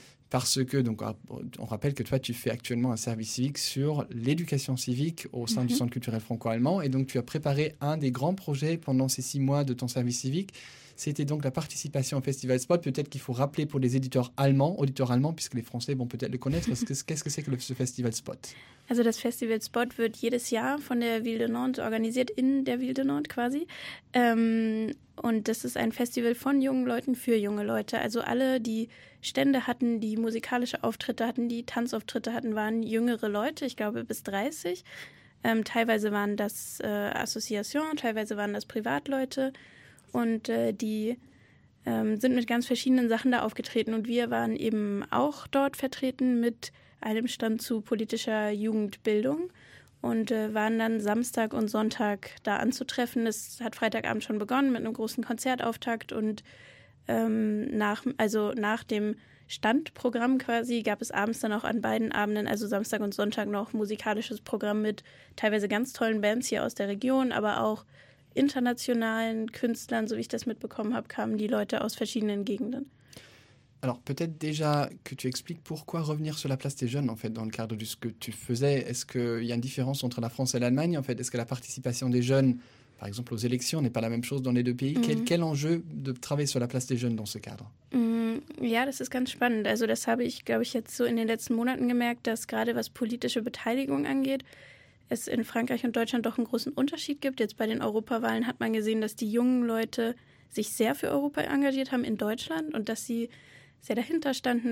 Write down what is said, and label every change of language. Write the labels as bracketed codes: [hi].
[fr] Parce que, donc, on rappelle que toi, tu fais actuellement un service civique sur l'éducation civique au sein du Centre culturel franco-allemand. Et donc, tu as préparé un des grands projets pendant ces 6 mois de ton service civique. C'était donc la participation au Festival Spot. Peut-être qu'il faut rappeler pour les auditeurs allemands, puisque les Français vont peut-être le connaître. Qu'est-ce que c'est que ce Festival Spot? [de] Also das Festival Spot wird jedes Jahr von der Ville de Nantes organisiert, in der Ville de Nantes quasi. Und das ist ein Festival von jungen Leuten für junge Leute. Also alle, die Stände hatten, die musikalische Auftritte hatten, die Tanzauftritte hatten, waren jüngere Leute, ich glaube bis 30. Teilweise waren das Associations, teilweise waren das Privatleute. Und die sind mit ganz verschiedenen Sachen da aufgetreten. Und wir waren eben auch dort vertreten mit einem Stand zu politischer Jugendbildung und waren dann Samstag und Sonntag da anzutreffen. Es hat Freitagabend schon begonnen mit einem großen Konzertauftakt. Und nach dem Standprogramm quasi gab es abends dann auch an beiden Abenden, also Samstag und Sonntag, noch musikalisches Programm mit teilweise ganz tollen Bands hier aus der Region, aber auch internationalen Künstlern, so wie ich das mitbekommen habe, kamen die Leute aus verschiedenen Gegenden. [fr] Alors peut-être déjà que tu expliques pourquoi revenir sur la place des jeunes en fait dans le cadre de ce que tu faisais. Est-ce qu'il y a une différence entre la France et l'Allemagne en fait? Est-ce que la participation des jeunes, par exemple aux élections, n'est pas la même chose dans les deux pays? Mm-hmm. Quel enjeu de travailler sur la place des jeunes dans ce cadre? [de] Ja, das ist ganz spannend. Also das habe ich, glaube ich, jetzt so in den letzten Monaten gemerkt, dass gerade was politische Beteiligung angeht, es in Frankreich und Deutschland doch einen großen Unterschied gibt. Jetzt bei den Europawahlen hat man gesehen, dass die jungen Leute sich sehr für Europa engagiert haben in Deutschland und dass sie sehr dahinter standen.